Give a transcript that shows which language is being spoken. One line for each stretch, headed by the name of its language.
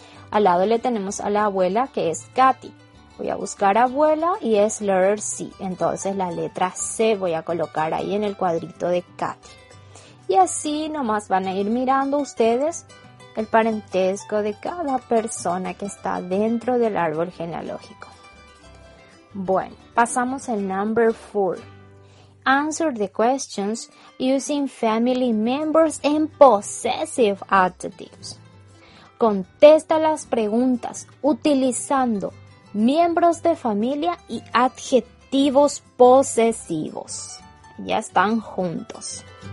Spanish: Al lado le tenemos a la abuela que es Katy. Voy a buscar abuela y es
English: letter C.
Spanish: Entonces la letra C voy a colocar ahí en el cuadrito de Katy. Y así nomás van a ir mirando ustedes el parentesco de cada persona que está dentro del árbol genealógico. Bueno, pasamos al
English: number 4. Answer the questions using family members and possessive adjectives.
Spanish: Contesta las preguntas utilizando miembros de familia y adjetivos posesivos. Ya están juntos.